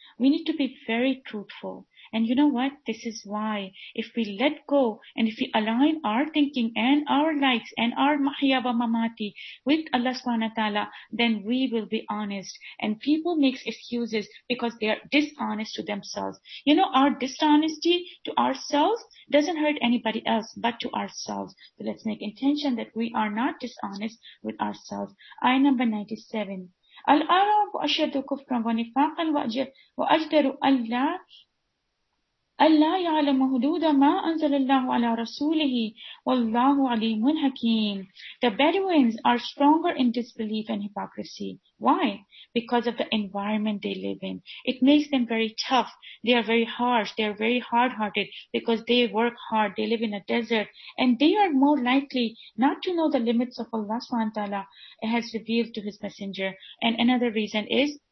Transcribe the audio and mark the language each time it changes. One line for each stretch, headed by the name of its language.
English: We need to be very truthful. And you know what? This is why if we let go and if we align our thinking and our likes and our
Arabic: mahiya wa mamati
English: with Allah subhanahu wa ta'ala, then we will be honest. And people make excuses because they are dishonest to themselves. You know, our dishonesty to ourselves doesn't hurt anybody else but to ourselves. So let's make intention that we are not dishonest with ourselves. Ayah number 97.
Arabic: الأعراب أشد كفرا ونفاقا وأجدر ألا يعلم حدود ما أنزل الله على رسوله والله عليم حكيم.
English: The Bedouins are stronger in disbelief and hypocrisy. Why? Because of the environment they live in. It makes them very tough. They are very harsh. They are very hard-hearted because they work hard. They live in a desert. And they are more likely not to know the limits of Allah subhanahu wa ta'ala has revealed to his messenger. And another reason is